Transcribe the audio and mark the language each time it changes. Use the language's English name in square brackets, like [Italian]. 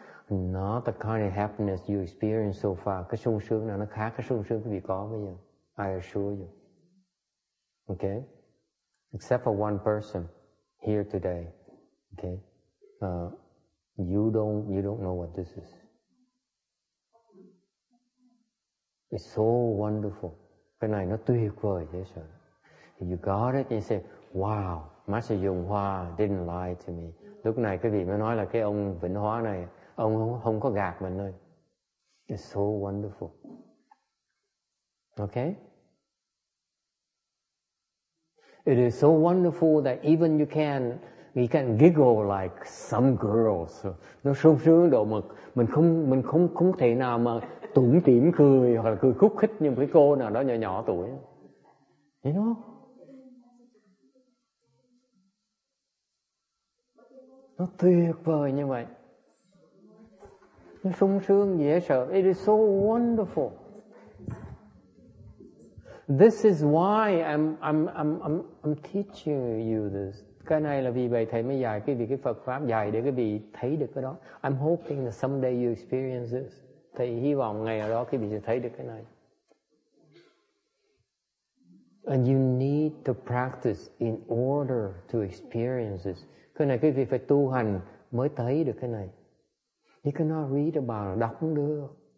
[English] Not the kind of happiness you experienced so far. [Vietnamese] Cái sung sướng nào nó khác cái sung sướng quý vị có bây giờ. [English] I assure you. Okay? Except for one person here today, okay, you don't know what this is. It's so wonderful. [Vietnamese] Cái này nó tuyệt vời thế sao? [English] You got it. You say, wow, Master Dung Hoa didn't lie to me. [Vietnamese] Lúc này cái vị mới nói là cái ông Vĩnh Hóa này, ông không có gạt mình ơi. [English] It's so wonderful. Okay. It is so wonderful that even you can you can giggle like some girls. [Vietnamese] Nó sung sướng độ mà mình không thể nào mà tủm tỉm cười hoặc là cười khúc khích như một cái cô nào đó nhỏ nhỏ tuổi. [English] You know? [Vietnamese] Nó tuyệt vời như vậy. Nó sung sướng dễ sợ. [English] It is so wonderful. This is why I'm teaching you this. [Vietnamese] Cái này là vì vậy thầy mới dạy cái vị cái Phật pháp dạy để cái vị thấy được cái đó. [English] I'm hoping that someday you experience this. [Vietnamese] Thầy hy vọng ngày ở đó cái vị sẽ thấy được cái này. [English] And you need to practice in order to experience this. [Vietnamese] Cái này cái vị phải tu hành mới thấy được cái này. [English] You cannot read about it, [Vietnamese] đọc không được.